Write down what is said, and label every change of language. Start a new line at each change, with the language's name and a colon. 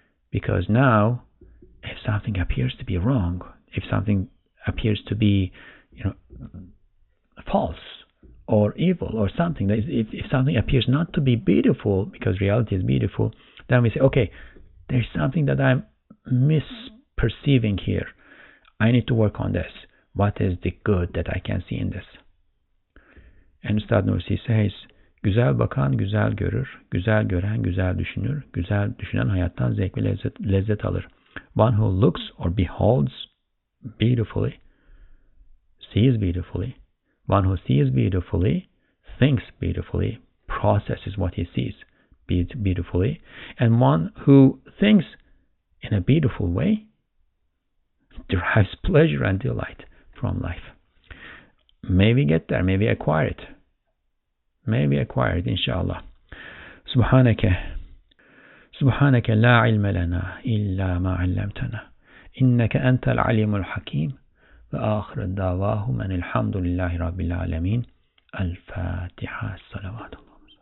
English: Because now, if something appears to be wrong, if something appears to be, you know, false or evil or something, if something appears not to be beautiful, because reality is beautiful, then we say, okay, there's something that I'm misperceiving here. I need to work on this. What is the good that I can see in this? And Ustad Nursi says,
Turkish: güzel bakan güzel görür, güzel gören güzel düşünür, güzel düşünen hayattan zevk ve lezzet alır.
English: One who looks or beholds beautifully, sees beautifully. One who sees beautifully, thinks beautifully, processes what he sees beautifully. And one who thinks in a beautiful way, derives pleasure and delight from life. Maybe get there, maybe acquire it. Maybe acquire it, inshallah.
Arabic: Subhanaka. سبحانك لا علم لنا إلا ما علمتنا إنك أنت العليم الحكيم وآخر الدعوة من الحمد لله رب العالمين الفاتحة الصلوات الله